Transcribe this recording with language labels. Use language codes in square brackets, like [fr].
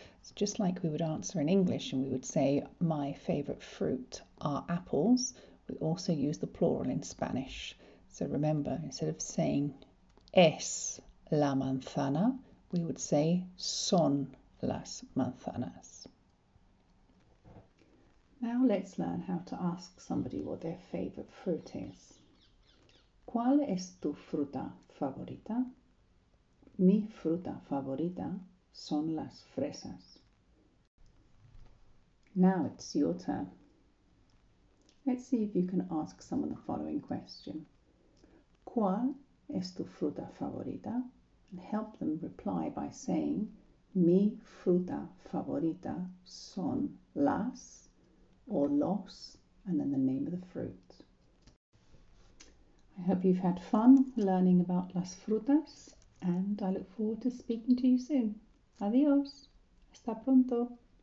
[en] It's just like we would answer in English and we would say, my favourite fruit are apples. We also use the plural in Spanish. So remember, instead of saying [es] es la manzana, [en] we would say [es] son las manzanas. [en] Now let's learn how to ask somebody what their favorite fruit is. [es] ¿Cuál es tu fruta favorita? Mi fruta favorita son las fresas. [en] Now it's your turn. Let's see if you can ask someone the following question. [es] ¿Cuál es tu fruta favorita? [en] And help them reply by saying, [es] mi fruta favorita son las, [en] or los, and then the name of the fruit. I hope you've had fun learning about las frutas, and I look forward to speaking to you soon. [es] Adiós. Hasta pronto.